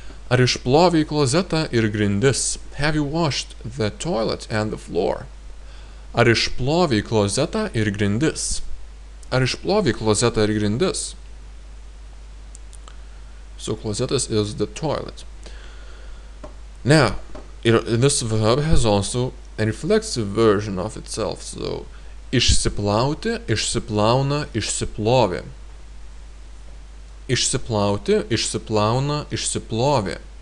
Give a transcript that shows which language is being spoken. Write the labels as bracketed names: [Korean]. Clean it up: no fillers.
[Lithuanian] Ar išplovė klozetą ir grindis? [English] Have you washed the toilet and the floor? [Lithuanian] Ar išplovė klozetą ir grindis? Ar išplovė klozetą ir grindis? [English] So, klozetas is the toilet. Now, this verb has also a reflexive version of itself. [Lithuanian] So, išsiplauti, išsiplauna, išsiplovė. Išsiplauti, išsiplauna, išsiplovė.